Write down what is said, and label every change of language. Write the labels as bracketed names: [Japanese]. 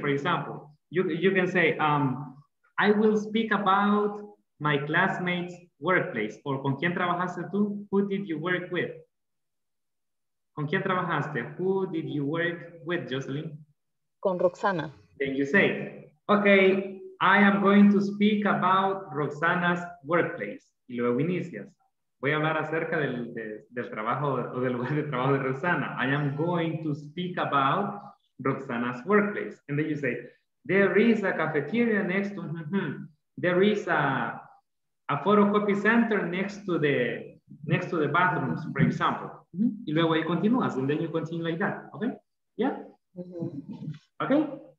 [English] For example, you can say I will speak about my classmate's workplace. [Spanish] Or con quién trabajaste tú? [English] Who did you work with? [Spanish] ¿Con quién trabajaste? [English] Who did you work with, Jocelyn? [Spanish] Con Roxana. [English] Then you say, okay, I am going to speak about Roxana's workplace. [Spanish] Y luego inicias. Voy a hablar acerca del trabajo o del lugar de trabajo de Roxana. [English] I am going to speak about Roxana's workplace. And then you say, there is a cafeteria next to, there is a photocopy center next to the bathrooms, for example. Mm-hmm. [Spanish] Y luego ahí continúas, [English] and then you continue like that, okay? Yeah? Mm-hmm. Okay?